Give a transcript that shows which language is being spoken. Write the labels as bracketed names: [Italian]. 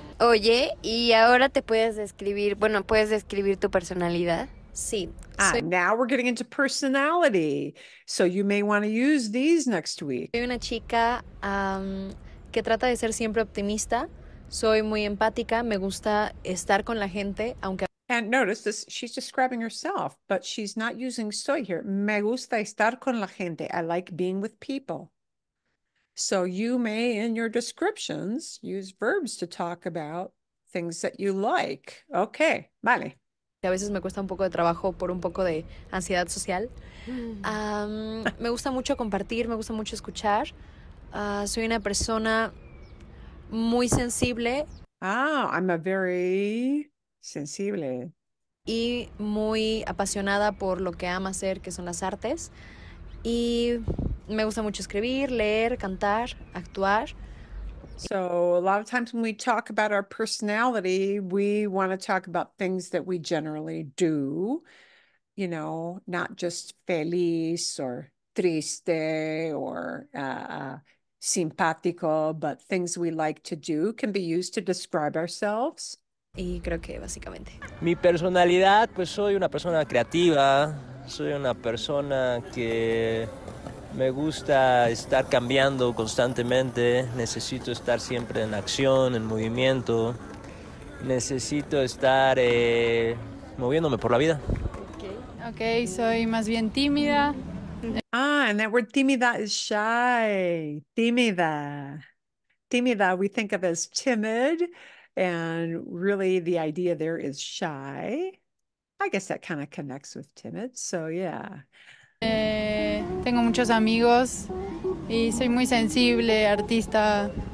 [Spanish] Oye, ¿y ahora te puedes describir, bueno, puedes describir tu personalidad? Sí. [English] Now we're getting into personality. So you may want to use these next week. [Spanish] Soy una chica que trata de ser siempre optimista. Soy muy empática, me gusta estar con la gente, aunque... [English] And notice this, she's describing herself, but she's not using soy here. [Spanish] Me gusta estar con la gente. [English] I like being with people. So you may, in your descriptions, use verbs to talk about things that you like. [Spanish] Okay, vale. A veces me cuesta un poco de trabajo por un poco de ansiedad social. Me gusta mucho compartir, me gusta mucho escuchar. Soy una persona muy sensible. [English] I'm a very... sensible. [Spanish] Y muy apasionada por lo que ama hacer, que son las artes. Y me gusta mucho escribir, leer, cantar, actuar. [English] So a lot of times when we talk about our personality, we want to talk about things that we generally do. You know, not just feliz or triste or simpático, but things we like to do can be used to describe ourselves. [Spanish] Y creo que básicamente. Mi personalidad, pues soy una persona creativa, soy una persona que me gusta estar cambiando constantemente, necesito estar siempre en acción, en movimiento, necesito estar moviéndome por la vida. Okay, soy más bien tímida. [English] Ah, And that word tímida is shy. Tímida. Tímida, we think of as timid. And really the idea there is shy. I guess that kind of connects with timid. So, yeah. [Spanish] Tengo muchos amigos y soy muy sensible, artista.